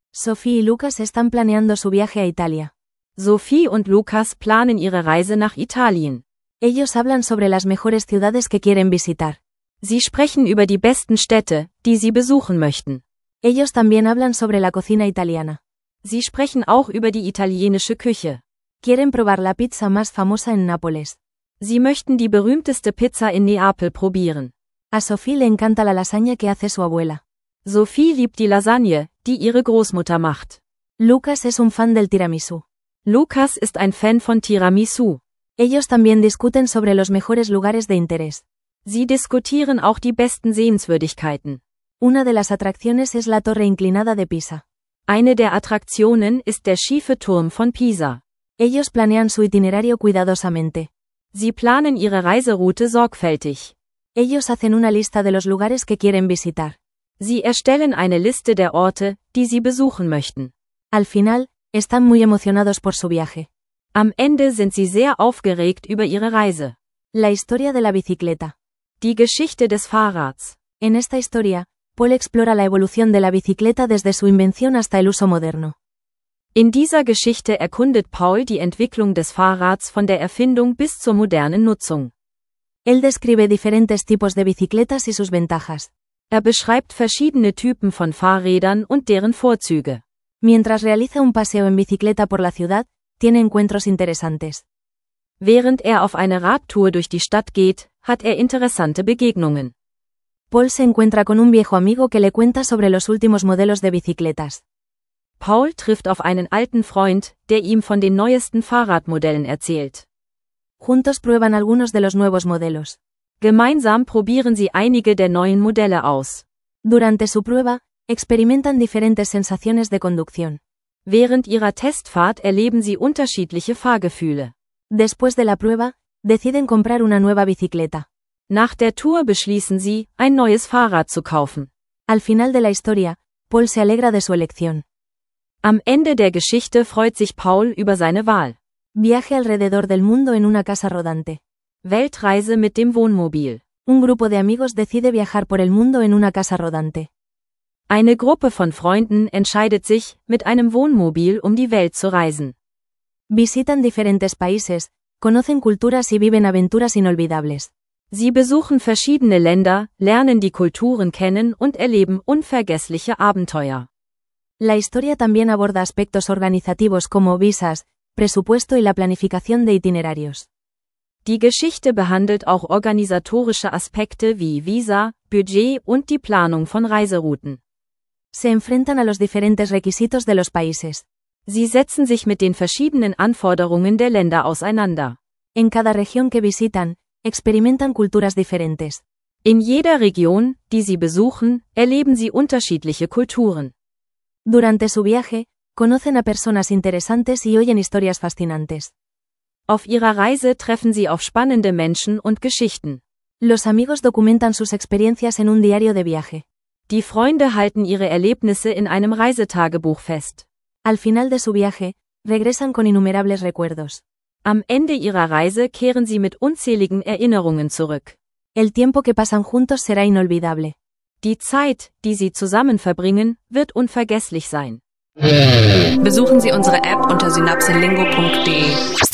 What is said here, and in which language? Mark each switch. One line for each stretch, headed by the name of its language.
Spanish: Sophie y Lucas están planeando su viaje a Italia.
German: Sophie und Lucas planen ihre Reise nach Italien.
Spanish: Ellos hablan sobre las mejores ciudades que quieren visitar.
German: Sie sprechen über die besten Städte, die sie besuchen möchten.
Spanish: Ellos también hablan sobre la cocina italiana.
German: Sie sprechen auch über die italienische Küche.
Spanish: Quieren probar la pizza más famosa en Nápoles.
German: Sie möchten die berühmteste Pizza in Neapel probieren.
Spanish: A Sophie le encanta la lasaña que hace su abuela.
German: Sophie liebt die Lasagne, die ihre Großmutter macht.
Spanish: Lucas es un fan del tiramisú.
German: Lucas ist ein Fan von Tiramisu.
Spanish: Ellos también discuten sobre los mejores lugares de interés.
German: Sie diskutieren auch die besten Sehenswürdigkeiten.
Spanish: Una de las atracciones es la torre inclinada de Pisa.
German: Eine der Attraktionen ist der schiefe Turm von Pisa.
Spanish: Ellos planean su itinerario cuidadosamente.
German: Sie planen ihre Reiseroute sorgfältig.
Spanish: Ellos hacen una lista de los lugares que quieren visitar.
German: Sie erstellen eine Liste der Orte, die sie besuchen möchten.
Spanish: Al final, están muy emocionados por su viaje.
German: Am Ende sind sie sehr aufgeregt über ihre Reise.
Spanish: La historia de la bicicleta.
German: Die Geschichte des Fahrrads.
Spanish: En esta historia, Paul explora la evolución de la bicicleta desde su invención hasta el uso moderno.
German: In dieser Geschichte erkundet Paul die Entwicklung des Fahrrads von der Erfindung bis zur modernen Nutzung.
Spanish: Él describe diferentes tipos de bicicletas y sus ventajas.
German: Er beschreibt verschiedene Typen von Fahrrädern und deren Vorzüge.
Spanish: Mientras realiza un paseo en bicicleta por la ciudad, tiene encuentros interesantes.
German: Während er auf eine Radtour durch die Stadt geht, hat er interessante Begegnungen.
Spanish: Paul se encuentra con un viejo amigo que le cuenta sobre los últimos modelos de bicicletas.
German: Paul trifft auf einen alten Freund, der ihm von den neuesten Fahrradmodellen erzählt.
Spanish: Juntos prueban algunos de los nuevos modelos.
German: Gemeinsam probieren sie einige der neuen Modelle aus.
Spanish: Durante su prueba, experimentan diferentes sensaciones de conducción.
German: Während ihrer Testfahrt erleben sie unterschiedliche Fahrgefühle.
Spanish: Después de la prueba, deciden comprar una nueva bicicleta.
German: Nach der Tour beschließen sie, ein neues Fahrrad zu kaufen.
Spanish: Al final de la historia, Paul se alegra de su elección.
German: Am Ende der Geschichte freut sich Paul über seine Wahl.
Spanish: Viaje alrededor del mundo en una casa rodante.
German: Weltreise mit dem Wohnmobil.
Spanish: Un grupo de amigos decide viajar por el mundo en una casa rodante.
German: Eine Gruppe von Freunden entscheidet sich, mit einem Wohnmobil um die Welt zu reisen.
Spanish: Visitan diferentes países, conocen culturas y viven aventuras inolvidables.
German: Sie besuchen verschiedene Länder, lernen die Kulturen kennen und erleben unvergessliche Abenteuer.
Spanish: La historia también aborda aspectos organizativos como visas, presupuesto y la planificación de itinerarios.
German: Die Geschichte behandelt auch organisatorische Aspekte wie Visa, Budget und die Planung von Reiserouten.
Spanish: Se enfrentan a los diferentes requisitos de los países.
German: Sie setzen sich mit den verschiedenen Anforderungen der Länder auseinander.
Spanish: En cada región que visitan, experimentan culturas diferentes.
German: In jeder Region, die sie besuchen, erleben sie unterschiedliche Kulturen.
Spanish: Durante su viaje, conocen a personas interesantes y oyen historias fascinantes.
German: Auf ihrer Reise treffen sie auf spannende Menschen und Geschichten.
Spanish: Los amigos documentan sus experiencias en un diario de viaje.
German: Die Freunde halten ihre Erlebnisse in einem Reisetagebuch fest.
Spanish: Al final de su viaje, regresan con innumerables recuerdos.
German: Am Ende ihrer Reise kehren sie mit unzähligen Erinnerungen zurück.
Spanish: El tiempo que pasan juntos será inolvidable.
German: Die Zeit, die sie zusammen verbringen, wird unvergesslich sein. Besuchen Sie unsere App unter synapsenlingo.de.